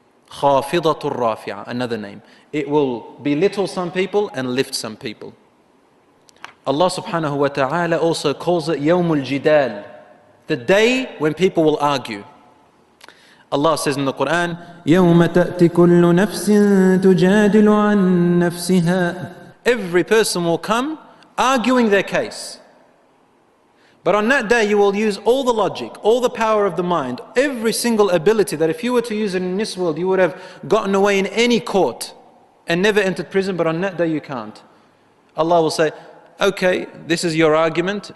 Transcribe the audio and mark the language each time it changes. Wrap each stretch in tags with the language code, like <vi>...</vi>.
<ar>خافضة الرافعة,</ar> <en>another name. It will belittle some people and lift some people. Allah subhanahu wa ta'ala also calls it</en> <ar>يوم الجدال,</ar> <en>the day when people will argue. Allah says in the Quran,</en> <ar>يوم تأتي كل نفس تجادل عن نفسها.</ar> <en>Every person will come arguing their case. But on that day, you will use all the logic, all the power of the mind, every single ability that if you were to use it in this world, you would have gotten away in any court and never entered prison. But on that day, you can't. Allah will say, okay, this is your argument.</en>